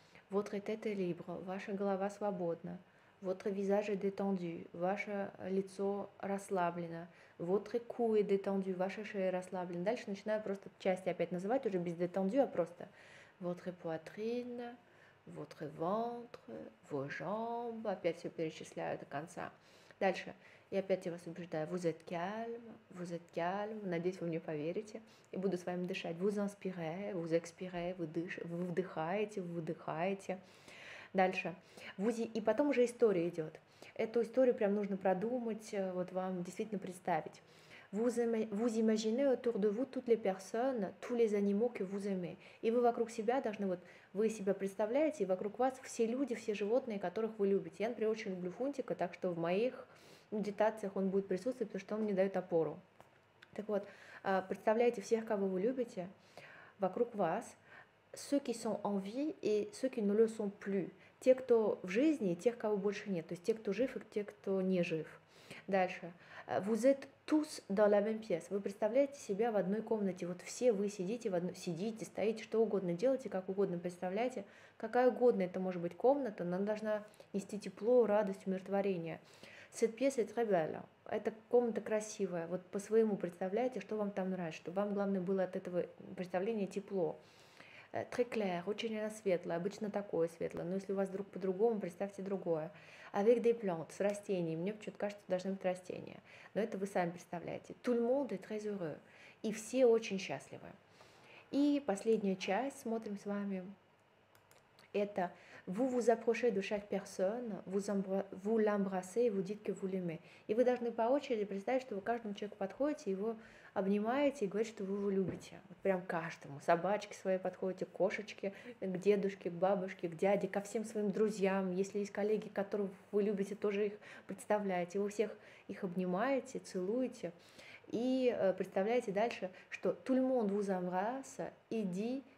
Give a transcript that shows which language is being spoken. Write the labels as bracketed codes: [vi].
[fr] Votre tête est libre, [ru] ваша голова свободна. [fr] Votre visage détendu, [ru] ваше лицо расслаблено. [fr] Votre cou est détendu, [ru] ваша шея расслаблена. Дальше начинаю просто части опять называть, уже без détendu, а просто. [fr] Votre poitrine, votre ventre, vos jambes. [ru] Опять все перечисляю до конца. Дальше. И опять я вас убеждаю, [fr] vous êtes calme, [ru] надеюсь, вы мне поверите, и буду с вами дышать. [fr] Vous inspirez, vous expirez, [ru] вы вдыхаете. Дальше. И потом уже история идет. Эту историю прям нужно продумать, вот вам действительно представить. [fr] Vous imaginez autour de vous toutes les personnes, tous les animaux que vous aimez. [ru] И вы вокруг себя должны, вот вы себя представляете, и вокруг вас все люди, все животные, которых вы любите. Я, например, очень люблю Фунтика, так что в моих медитациях он будет присутствовать, потому что он мне дает опору. Так вот, представляете всех, кого вы любите, вокруг вас, [fr] ceux qui sont en vie et ceux qui ne le sont plus. [ru] Те, кто в жизни, и тех, кого больше нет. То есть те, кто жив, и те, кто не жив. Дальше. [fr] Vous êtes tous dans la même pièce. [ru] Вы представляете себя в одной комнате. Вот все вы сидите, сидите, стоите, что угодно делаете, как угодно представляете. Какая угодно это может быть комната, она должна нести тепло, радость, умиротворение. [fr] Cette pièce est très belle. [ru] Эта комната красивая. Вот по-своему представляете, что вам там нравится, чтобы вам главное было от этого представления тепло. [fr] Très clair, [ru] очень она светлая, обычно такое светлое, но если у вас вдруг по-другому, представьте другое. [fr] Avec des plantes, [ru] с растениями, мне почему-то кажется, что должны быть растения. Но это вы сами представляете. [fr] Tout le monde est très heureux. [ru] И все очень счастливы. И последняя часть, смотрим с вами. [fr] Это vous vous approchez de chaque personne, vous l'embrassez et vous dites que vous l'aimez. [ru] И вы должны по очереди представить, что вы каждому человеку подходите, его обнимаете и говорите, что вы его любите. Вот прям каждому. Собачке своей подходите, кошечке, к дедушке, к бабушке, к дяде, ко всем своим друзьям. Если есть коллеги, которых вы любите, тоже их представляете. Вы всех их обнимаете, целуете и представляете дальше, что [fr] tout le monde vous embrasse, [ru] иди.